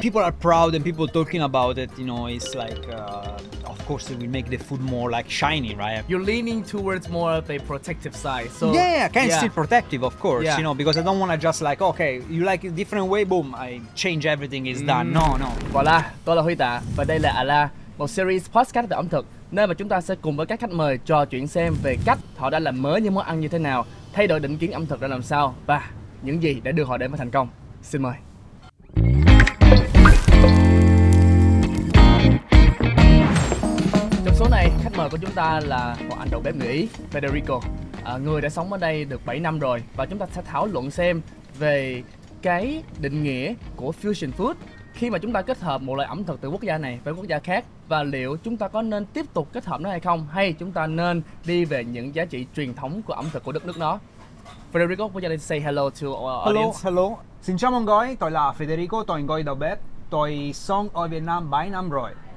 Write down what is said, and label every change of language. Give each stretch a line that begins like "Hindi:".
English: People are proud and people talking about it, you know, it's like, of course it will make the food more like shiny, right? You're leaning towards more of a protective side. So Yeah, still protective, of course, you know, because I don't want to just like, okay, you like a different way, boom, I change everything, it's done. No, no.
Vietnamese: Voilà, tôi là Huy Tạ và đây là Ala, một series podcast về ẩm thực, nơi mà chúng ta sẽ cùng với các khách mời trò chuyện xem về cách họ đã làm mới những món ăn như thế nào, thay đổi định kiến ẩm thực ra làm sao và những gì đã đưa họ đến với thành công. Xin mời. Trong số này, khách mời của chúng ta là một anh đầu bếp người Ý, Federico, người đã sống ở đây được 7 năm rồi. Và chúng ta sẽ thảo luận xem về cái định nghĩa của fusion food khi mà chúng ta kết hợp một loại ẩm thực từ quốc gia này với quốc gia khác, và liệu chúng ta có nên tiếp tục kết hợp nó hay không, hay chúng ta nên đi về những giá trị truyền thống của ẩm thực của đất nước nó.
English: Federico, would you like to say hello to our audience? Hello, hello.
Vietnamese: Xin chào mọi người, tôi là Federico, tôi ngồi đầu bếp. Tôi sống ở Việt Nam 7 năm rồi.